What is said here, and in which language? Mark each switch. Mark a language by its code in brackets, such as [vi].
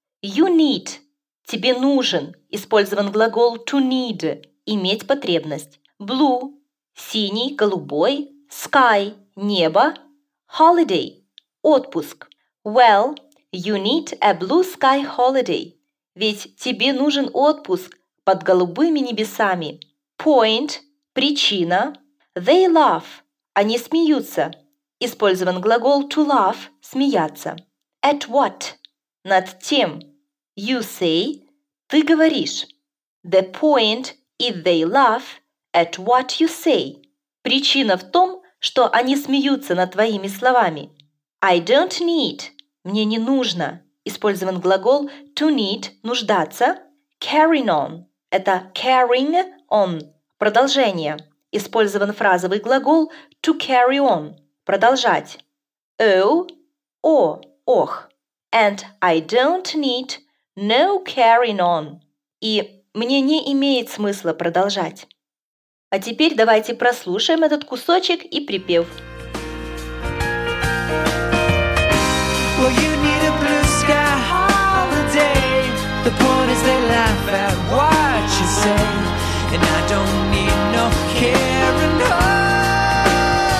[en] You need [ru] – тебе нужен. Использован глагол to need – иметь потребность. Blue – синий, голубой. Sky – небо. Holiday – отпуск. [en] Well, you need a blue sky holiday. [ru] Ведь тебе нужен отпуск под голубыми небесами. Point – причина. [en] They laugh [ru] – они смеются. Использован глагол to laugh – смеяться. [en] At what [ru] – над тем. [en] You say [ru] – ты говоришь. [en] The point is they laugh at what you say. [ru] Причина в том, что они смеются над твоими словами. [en] I don't need [ru] – мне не нужно. Использован глагол to need – нуждаться. Carrying on – это carrying on – продолжение. Использован фразовый глагол to carry on – продолжать. Oh, oh, oh. [en] And I don't need no carrying on. [ru] И мне не имеет смысла продолжать. А теперь давайте прослушаем этот кусочек и припев. [en] Well, you need a blue sky holiday. The point is they laugh at what you say. And I don't need no care and hope.